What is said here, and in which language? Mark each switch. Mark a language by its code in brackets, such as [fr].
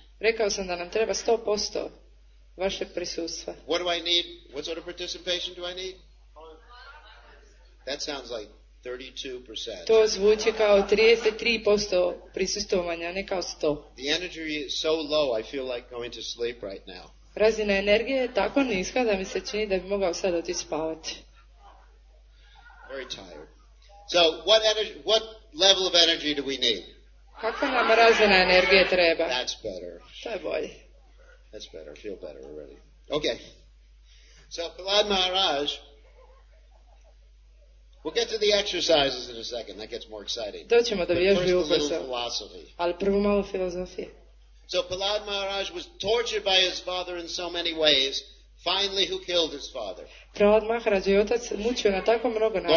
[hr] Rekao sam da nam treba 100% vaše prisustva. [en] What do I need? What sort of participation do I need? That sounds like 32%. [hr] To zvuči kao 33% prisustvovanja, ne kao 100. [en] The energy is so low, I feel like going to sleep right now. [hr] Razina energije je tako niska da mi se čini da bi mogao sad otići spavati. [en] Very tired. So, what level of energy do we need? [hr] Kakva nam razina energije treba? [en] That's better. [hr] To je bolje. [en] That's better. I feel better already. Okay. So, Prahlad Maharaj, we'll get to the exercises in a second. That gets more exciting. [hr] Doćemo do vježbi ubrzo. [en] First, a little philosophy. [hr] Ali prvo malo filozofije. [en] So Prahlad Maharaj was tortured by his father in so many ways. Finally, who killed his father? [hr] Prahlad Maharaj je otac mučio na tako mnogo načina.